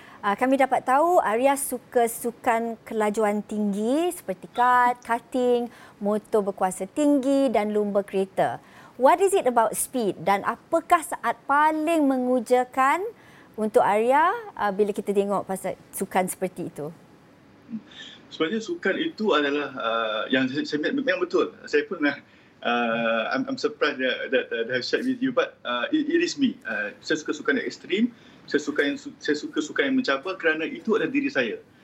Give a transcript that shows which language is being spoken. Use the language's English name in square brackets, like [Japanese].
[Malay] Kami dapat tahu Arya suka sukan kelajuan tinggi seperti kart, karting, motor berkuasa tinggi dan lumba kereta. [English] What is it about speed [Malay] dan apakah saat paling mengujakan untuk Arya bila kita tengok pasal sukan seperti itu? Sebenarnya sukan itu adalah yang saya memang betul. Saya pun [English] I'm surprised that I have shared with you, but it is me. [Malay] Saya suka sukan yang ekstrim. Saya suka sukan yang mencabar kerana itu adalah diri saya.